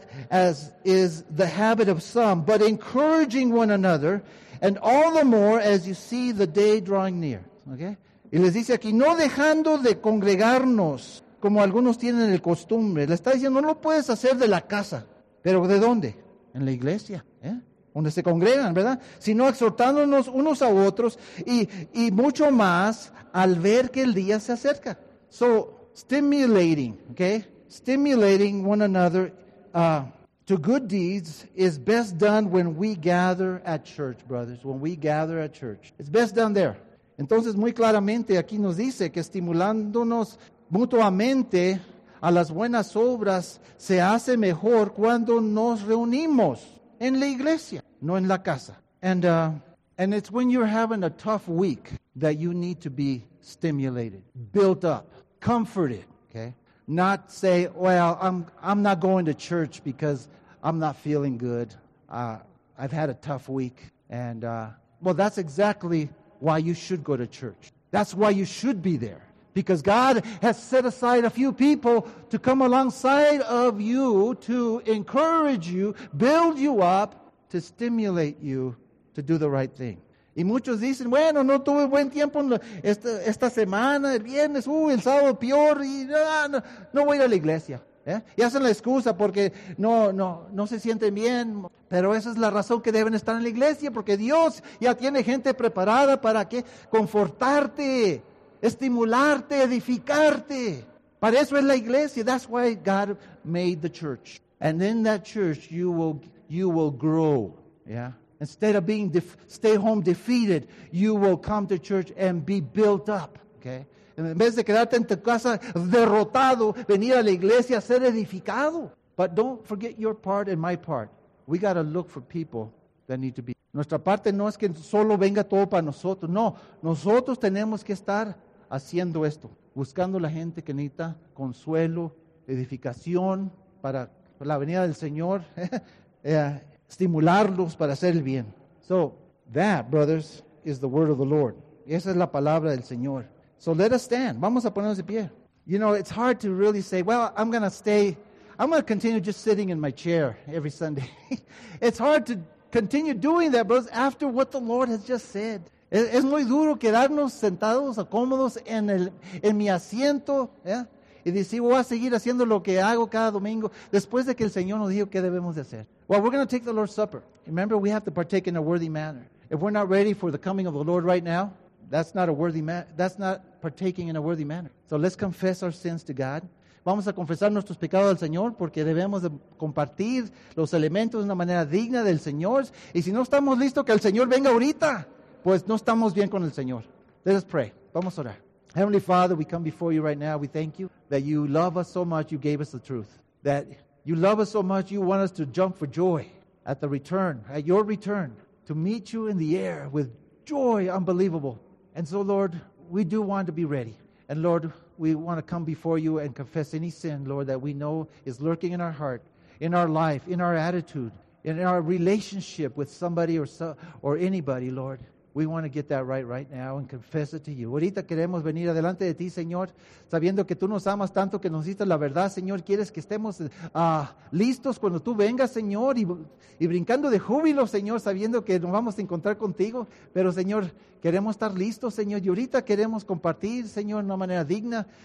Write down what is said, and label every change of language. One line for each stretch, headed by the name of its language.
English: as is the habit of some, but encouraging one another, and all the more as you see the day drawing near. Okay?
Spanish: Y les dice aquí, no dejando de congregarnos, como algunos tienen el costumbre. Le está diciendo, no lo puedes hacer de la casa. ¿Pero de dónde? En la iglesia, ¿eh? Donde se congregan, ¿verdad? Sino exhortándonos unos a otros y mucho más al ver que el día se acerca. So,
English: Stimulating one another to good deeds is best done when we gather at church, brothers. When we gather at church. It's best done there. Entonces, muy claramente, aquí nos dice que estimulándonos mutuamente a las buenas obras se hace mejor cuando nos reunimos en la iglesia, no en la casa. And it's when you're having a tough week that you need to be stimulated, built up, comforted, okay? Not say, well, I'm not going to church because I'm not feeling good. I've had a tough week. And that's exactly why you should go to church. That's why you should be there. Because God has set aside a few people to come alongside of you, to encourage you, build you up, to stimulate you to do the right thing.
Spanish: Y muchos dicen, bueno, no tuve buen tiempo esta semana, el viernes, el sábado peor, y no voy a la iglesia. ¿Eh? Y hacen la excusa porque no se sienten bien. Pero esa es la razón que deben estar en la iglesia, porque Dios ya tiene gente preparada para que confortarte, estimularte, edificarte. Para eso es la iglesia.
English: That's why God made the church. And in that church, you will grow. Yeah. Instead of being stay home defeated, you will come to church and be built up. Okay.
Spanish: En vez de quedarte en tu casa derrotado, venir a la iglesia a ser edificado.
English: But don't forget your part and my part. We got to look for people that need to be.
Spanish: Nuestra parte no es que solo venga todo para nosotros. No, nosotros tenemos que estar haciendo esto, buscando la gente que necesita consuelo, edificación para la venida del Señor, estimularlos para hacer el bien.
English: So, that, brothers, is the word of the Lord.
Spanish: Esa es la palabra del Señor.
English: So let us stand.
Spanish: Vamos a ponernos de pie.
English: You know, it's hard to really say, well, I'm going to continue just sitting in my chair every Sunday. It's hard to continue doing that, brothers, after what the Lord has just said.
Spanish: Es muy duro quedarnos sentados o cómodos en mi asiento, ¿eh? Y decir, voy a seguir haciendo lo que hago cada domingo después de que el Señor nos dijo qué debemos de hacer.
English: Well, we're going to take the Lord's Supper. Remember, we have to partake in a worthy manner. If we're not ready for the coming of the Lord right now, that's not partaking in a worthy manner. So let's confess our sins to God.
Spanish: Vamos a confesar nuestros pecados al Señor porque debemos de compartir los elementos de una manera digna del Señor. Y si no estamos listos que el Señor venga ahorita, pues no estamos bien con el Señor.
English: Let us pray.
Spanish: Vamos a orar.
English: Heavenly Father, we come before you right now. We thank you that you love us so much, you gave us the truth. That you love us so much, you want us to jump for joy at the return, at your return, to meet you in the air with joy unbelievable. And so, Lord, we do want to be ready. And Lord, we want to come before you and confess any sin, Lord, that we know is lurking in our heart, in our life, in our attitude, in our relationship with somebody or anybody, Lord. We want to get that right now and confess it to you.
Spanish: Ahorita queremos venir adelante de ti, Señor, sabiendo que tú nos amas tanto que nos diste la verdad, Señor. Quieres que estemos listos cuando tú vengas, Señor, y brincando de júbilo, Señor, sabiendo que nos vamos a encontrar contigo. Pero, Señor, queremos estar listos, Señor, y ahorita queremos compartir, Señor, de una manera digna.